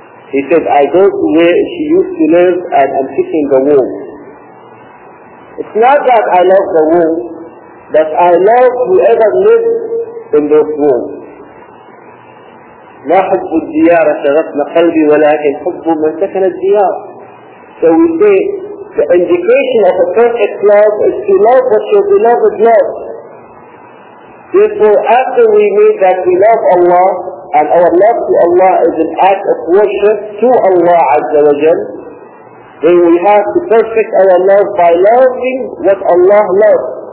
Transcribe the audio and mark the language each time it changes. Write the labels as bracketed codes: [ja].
[en] He says, I go to where she used to live and I'm kissing the wall. It's not that I love the wall, but I love whoever lives in those walls. [ar] لا حب الديار شغفنا قلبي ولكن حب من سكن الديار. [en] So we say the indication of a perfect love is to love what your beloved loves. Therefore, after we know that we love Allah and our love to Allah is an act of worship to Allah Azza wa Jal, then we have to perfect our love by loving what Allah loves.